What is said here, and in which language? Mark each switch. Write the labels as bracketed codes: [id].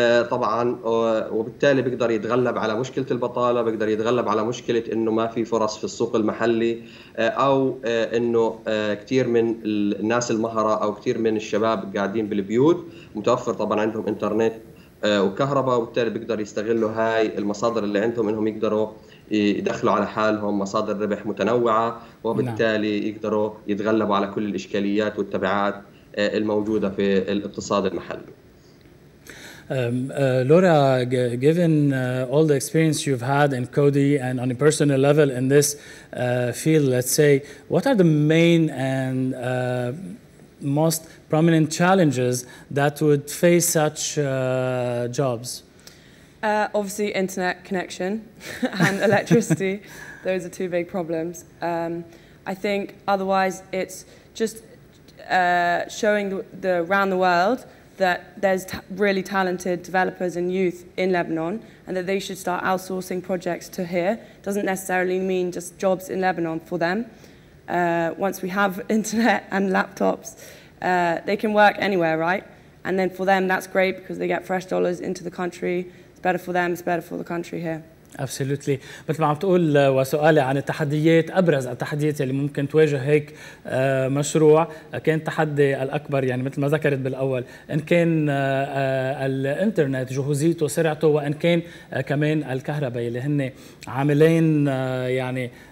[ar] طبعاً، وبالتالي بيقدر يتغلب على مشكلة البطالة، بيقدر يتغلب على مشكلة أنه ما في فرص في السوق المحلي، أو أنه كتير من الناس المهرة أو كتير من الشباب قاعدين بالبيوت متوفر طبعاً عندهم إنترنت وكهرباء، وبالتالي بيقدر يستغلوا هاي المصادر اللي عندهم أنهم يقدروا يدخلوا على حالهم مصادر ربح متنوعة، وبالتالي يقدروا يتغلبوا على كل الإشكاليات والتبعات الموجودة في الاقتصاد المحلي. [en] Laura, given all the experience you've had in CODI and on a personal level in this field, let's say, what are the main and most prominent challenges that would face such jobs? Obviously, internet connection and electricity. Those are two big problems. I think otherwise, it's just showing the around the world that there's really talented developers and youth in Lebanon, and that they should start outsourcing projects to here. Doesn't necessarily mean just jobs in Lebanon for them. Once we have internet and laptops, they can work anywhere, right? And then for them, that's great because they get fresh dollars into the country. It's better for them, it's better for the country here. Absolutely. [ar] مثل ما عم تقول وسؤالي عن التحديات، ابرز التحديات اللي ممكن تواجه هيك مشروع، كان التحدي الاكبر يعني مثل ما ذكرت بالاول ان كان الانترنت جهوزيته سرعته، وان كان كمان الكهرباء اللي هن عاملين يعني